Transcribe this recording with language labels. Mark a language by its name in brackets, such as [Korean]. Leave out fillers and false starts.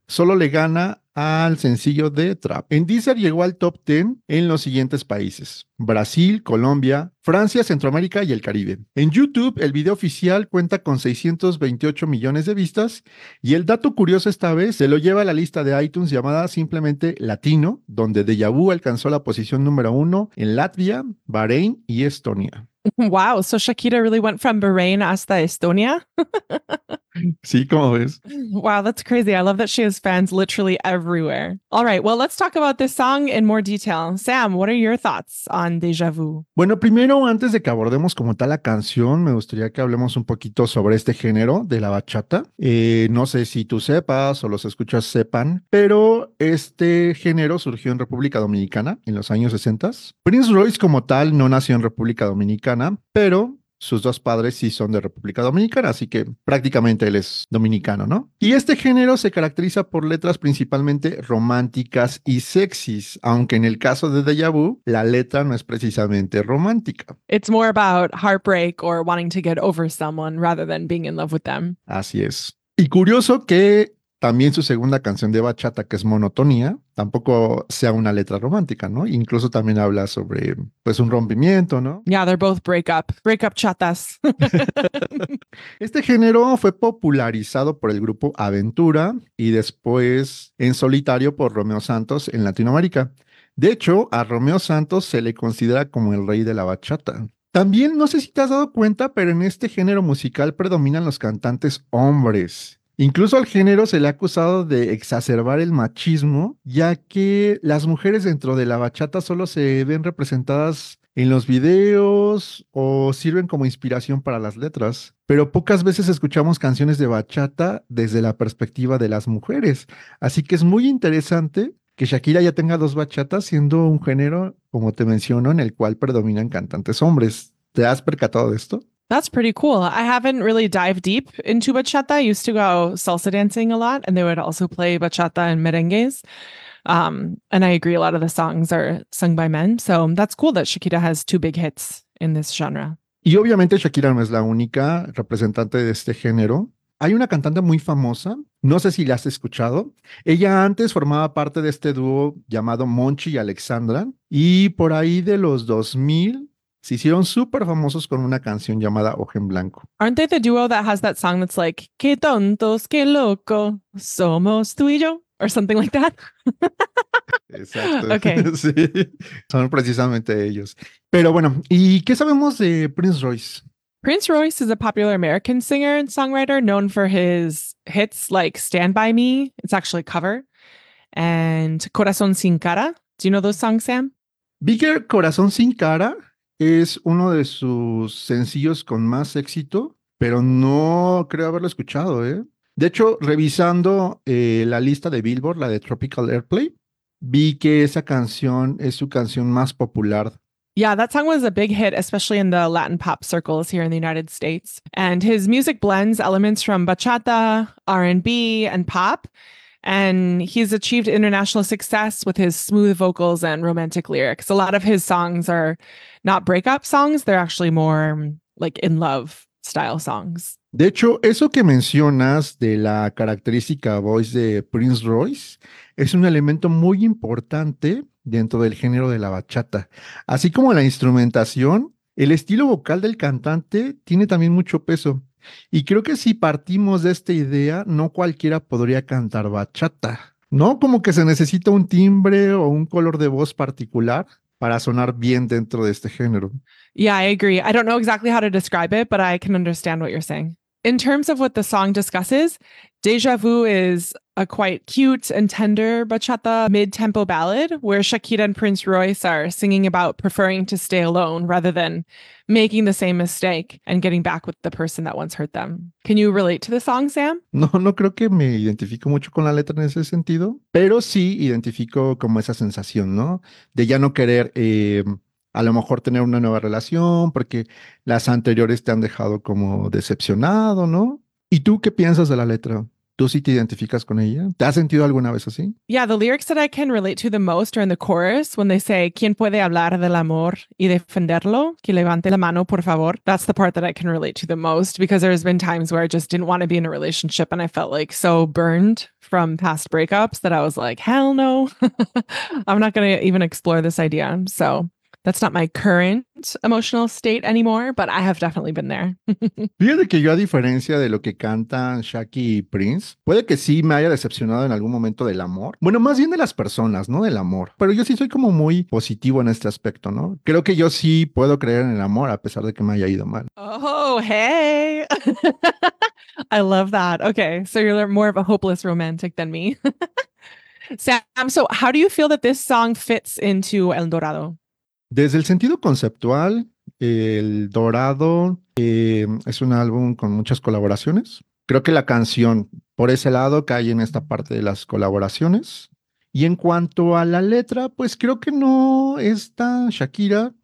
[Spanish] Solo le gana al sencillo de Trap. En Deezer llegó al top 10 en los siguientes países: Brasil, Colombia, Francia, Centroamérica y el Caribe. En YouTube, el video oficial cuenta con 628 millones de vistas y el dato curioso esta vez se lo lleva a la lista de iTunes llamada simplemente Latino, donde Deja Vu alcanzó la posición número 1 en Latvia, Bahrein y Estonia. [English] Wow, so Shakira really went from Bahrain [Spanish] hasta [English] Estonia? [Spanish] Sí, ¿cómo ves? [English] Wow, that's crazy. I love that she has fans literally everywhere. All right, well, let's talk about this song in more detail. Sam, what are your thoughts on Deja Vu? [Spanish] Bueno, primero, antes de que abordemos como tal la canción, me gustaría que hablemos un poquito sobre este género de la bachata. No sé si tú sepas o los escuchas sepan, pero este género surgió en República Dominicana en los años 60. Prince Royce como tal no nació en República Dominicana, pero Sus dos padres sí son de República Dominicana, así que prácticamente él es dominicano, ¿no? Y este género se caracteriza por letras principalmente románticas y sexys, aunque en el caso de Deja Vu, la letra no es precisamente romántica. [English] It's more about heartbreak or wanting to get over someone rather than being in love with them. [Spanish] Así es. Y curioso que también su segunda canción de bachata, que es Monotonía, tampoco sea una letra romántica, ¿no? Incluso también habla sobre, pues, un rompimiento, ¿no? [English] Yeah, they're both breakup. Breakup chatas. [Spanish] Este género fue popularizado por el grupo Aventura y después en solitario por Romeo Santos en Latinoamérica. De hecho, a Romeo Santos se le considera como el rey de la bachata. También, no sé si te has dado cuenta, pero en este género musical predominan los cantantes hombres. Incluso al género se le ha acusado de exacerbar el machismo, ya que las mujeres dentro de la bachata solo se ven representadas en los videos o sirven como inspiración para las letras. Pero pocas veces escuchamos canciones de bachata desde la perspectiva de las mujeres. Así que es muy interesante que Shakira ya tenga dos bachatas, siendo un género, como te menciono, en el cual predominan cantantes hombres. ¿Te has percatado de esto? [English] That's pretty cool. I haven't really dived deep into bachata. I used to go salsa dancing a lot, and they would also play bachata and merengues. And I agree, a lot of the songs are sung by men. So that's cool that Shakira has two big hits in this genre. [Spanish] Y obviamente Shakira no es la única representante de este género. Hay una cantante muy famosa, no sé si la has escuchado. Ella antes formaba parte de este dúo llamado Monchi y Alexandra. Y por ahí de los 2000, se hicieron súper famosos con una canción llamada Ojo en Blanco. [English] Aren't they the duo that has that song that's like, [Spanish] qué tontos, qué loco, somos tú y yo, [English] or something like that? [Spanish] Exacto. Okay. Sí, son precisamente ellos. Pero bueno, ¿y qué sabemos de Prince Royce? [English] Prince Royce is a popular American singer and songwriter known for his hits like Stand By Me, it's actually a cover, and Corazón Sin Cara. Do you know those songs, Sam? [Spanish] Bigger Corazón Sin Cara es uno de sus sencillos con más éxito, pero no creo haberlo escuchado, ¿eh? De hecho, revisando la lista de Billboard, la de Tropical Airplay, vi que esa canción es su canción más popular. [English] Yeah, that song was a big hit, especially in the Latin pop circles here in the United States. And his music blends elements from bachata, R&B, and pop. And he's achieved international success with his smooth vocals and romantic lyrics. A lot of his songs are not breakup songs. They're actually more like in love style songs. [Spanish] De hecho, eso que mencionas de la característica [English] voice [Spanish] de Prince Royce es un elemento muy importante dentro del género de la bachata. Así como la instrumentación, el estilo vocal del cantante tiene también mucho peso. Y creo que si partimos de esta idea, no cualquiera podría cantar bachata, ¿no? Como que se necesita un timbre o un color de voz particular para sonar bien dentro de este género. [English] Yeah, I agree. I don't know exactly how to describe it, but I can understand what you're saying. In terms of what the song discusses, Deja Vu is a quite cute and tender bachata mid-tempo ballad where Shakira and Prince Royce are singing about preferring to stay alone rather than making the same mistake and getting back with the person that once hurt them. Can you relate to the song, Sam? [Spanish] No creo que me identifico mucho con la letra en ese sentido, pero sí identifico como esa sensación, ¿no? De ya no querer a lo mejor tener una nueva relación porque las anteriores te han dejado como decepcionado, ¿no? ¿Y tú qué piensas de la letra? ¿Tú sí te identificas con ella? ¿Te has sentido alguna vez así? [English] Yeah, the lyrics that I can relate to the most are in the chorus when they say, [Spanish] ¿quién puede hablar del amor y defenderlo? Que levante la mano, por favor. [English] That's the part that I can relate to the most because there's been times where I just didn't want to be in a relationship and I felt like so burned from past breakups that I was like, hell no, I'm not going to even explore this idea. So that's not my current emotional state anymore, but I have definitely been there. [Spanish] Fíjate que yo, a diferencia de lo que cantan Shaki y Prince, puede que sí me haya decepcionado en algún momento del amor. Bueno, más bien de las personas, ¿no? Del amor. Pero yo sí soy como muy positivo en este aspecto, ¿no? Creo que yo sí puedo creer en el amor a pesar de que me haya ido mal. [English] Oh, hey! I love that. Okay, so you're more of a hopeless romantic than me. Sam, so how do you feel that this song fits into El Dorado? [Spanish] Desde el sentido conceptual, El Dorado es un álbum con muchas colaboraciones. Creo que la canción, por ese lado, cae en esta parte de las colaboraciones. Y en cuanto a la letra, pues creo que no es tan Shakira,